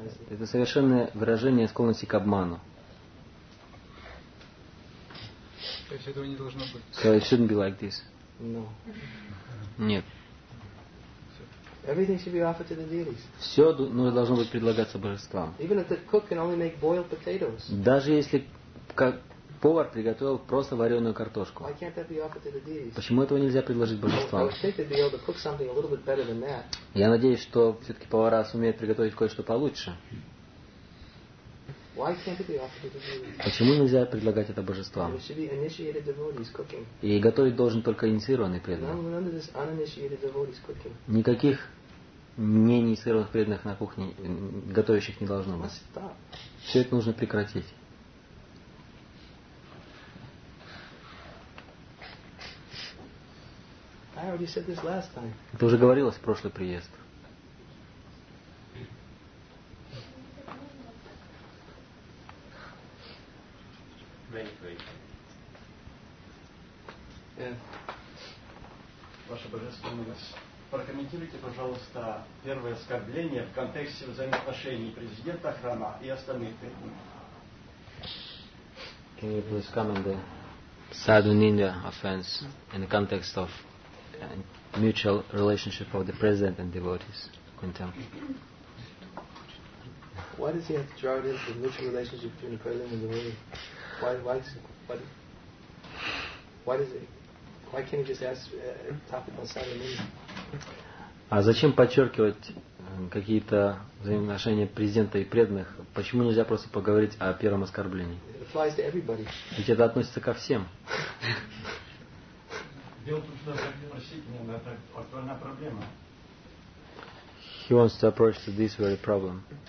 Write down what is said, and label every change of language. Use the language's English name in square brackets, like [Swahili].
[Russian] Это совершенное выражение склонности к обману. То есть этого не должно быть. [English] So it shouldn't be like this. No. [Russian] Нет. [English] Everything should be offered to the deities. [Russian] Все должно быть предлагаться божествам. [English] Even if the cook can only make boiled potatoes. [Russian] Даже если как повар приготовил просто вареную картошку. [English] Why can't that be offered to the deities? [Russian] Почему этого нельзя предложить божествам? [English] I think they'd be able to cook something a little bit better than that. [Russian] Я надеюсь, что все-таки повара сумеют приготовить кое-что получше. [English] Why can't it be offered to the deities? [Russian] Почему нельзя предлагать это божествам? [English] It should be initiated devotees cooking. [Russian] И готовить должен только инициированный преданный. [English] No, none of this uninitiated devotees cooking. [Russian] Никаких неинициированных преданных на кухне готовящих не должно быть. Все это нужно прекратить. [English] I already said this last time. [Russian] Это уже говорилось в прошлый приезд. Ваша Божественность, прокомментируйте, пожалуйста, первое оскорбление в контексте взаимоотношений президента храма и остальных преданных. [English] Can you please comment the Sadhu Ninda offense in the context of and mutual relationship of the president and devotees. Contempt. Why does he have to draw it into the mutual relationship between the president and the devotee? Why can't he just ask talk about Sadhanini? [Russian] А зачем подчеркивать какие-то взаимоотношения президента и преданных? Почему нельзя просто поговорить о первом оскорблении? [English] It applies to everybody. [Russian] Ведь это относится ко всем. [English] He wants to approach to this very problem.